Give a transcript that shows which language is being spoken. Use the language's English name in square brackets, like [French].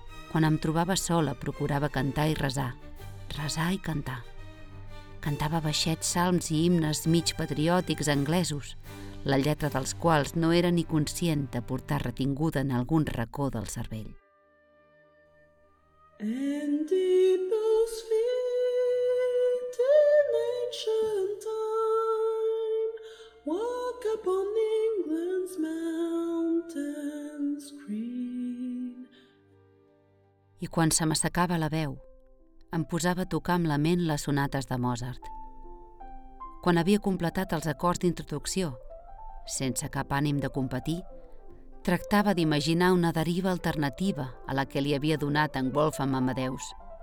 [Catalan] Quan em trobava sola, procurava cantar i resar. Resar i cantar. Cantava baixets, salms i himnes mig patriòtics anglesos, la lletra dels quals no era ni conscient de portar retinguda en algun racó del cervell. [English] And deep those feet in ancient time walk upon England's mountains green. [Catalan] I quan se m'assecava la veu, em posava a tocar amb la ment les sonates de Mozart. Quan havia completat els acords d'introducció, sense cap ànim de competir, tractava d'imaginar una deriva alternativa a la que li havia donat en Wolfgang Amadeus.